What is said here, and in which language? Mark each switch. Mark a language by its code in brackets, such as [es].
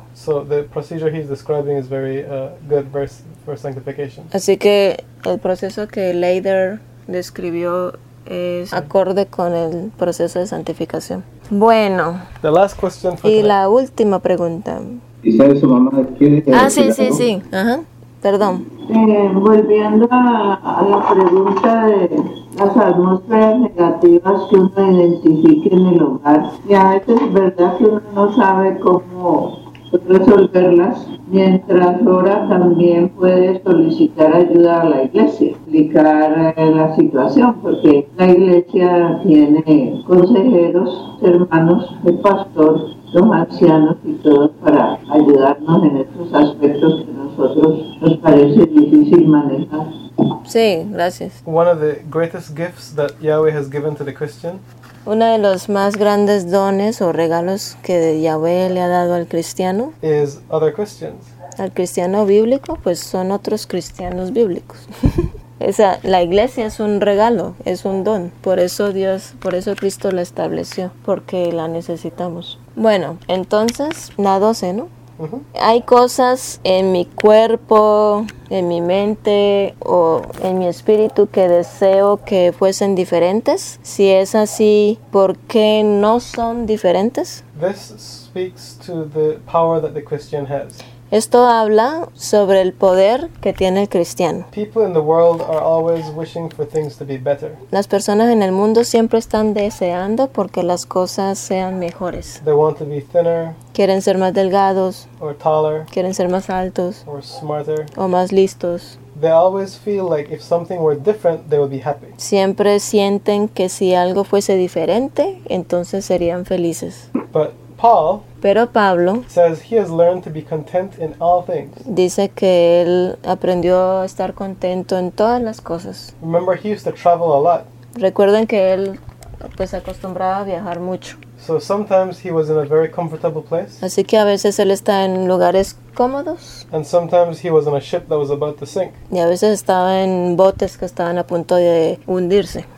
[en] So the procedure he's describing is very good for sanctification. [es] Así que el proceso que Leider describió es acorde con el proceso de santificación. Bueno. [en] The last question for [es] y [en] tonight. [es] La última pregunta. ¿Y sabe su mamá que Sí. Ajá. Perdón. Volviendo a la pregunta de las atmósferas negativas que uno identifica en el hogar, ya es verdad que uno no sabe cómo resolverlas, mientras ora también puede solicitar ayuda a la iglesia, explicar la situación, porque la iglesia tiene consejeros, hermanos, el pastor, los ancianos y todos para ayudarnos en estos aspectos que nosotros nos parece difícil manejar. Sí, gracias. [en] One of the greatest gifts that Yahweh has given to the Christian. [es] Uno de los más grandes dones o regalos que Yahweh le ha dado al cristiano [en] is other Christians. [es] Al cristiano bíblico, pues son otros cristianos bíblicos. Esa, la iglesia es un regalo, es un don. Por eso Dios, por eso Cristo la estableció, porque la necesitamos. Bueno, entonces, la 12, ¿no? Uh-huh. Hay cosas en mi cuerpo, en mi mente o en mi espíritu que deseo que fuesen diferentes. Si es así, ¿por qué no son diferentes? [en] This speaks to the power that the Christian has. [es] Esto habla sobre el poder que tiene el cristiano. [en] People in the world are always wishing for things to be better. [es] Las personas en el mundo siempre están deseando porque las cosas sean mejores. [en] They want to be thinner. [es] Quieren ser más delgados. [en] Or taller. [es] Quieren ser más altos. [en] Or smarter. [es] O más listos. [en] They always feel like if something were different, they would be happy. [es] Siempre sienten que si algo fuese diferente, entonces serían felices. [en] But Paul, [es] pero Pablo, [en] says he has learned to be content in all things. [es] Dice que él aprendió a estar contento en todas las cosas. [en] Remember, he used to travel a lot. [es] Recuerden que él pues acostumbraba a viajar mucho. [en] So sometimes he was in a very comfortable place. [es] Así que a veces él está en lugares cómodos. [en] And sometimes he was in a ship that was about to sink. [es] Y a veces estaba en botes que estaban a punto de hundirse.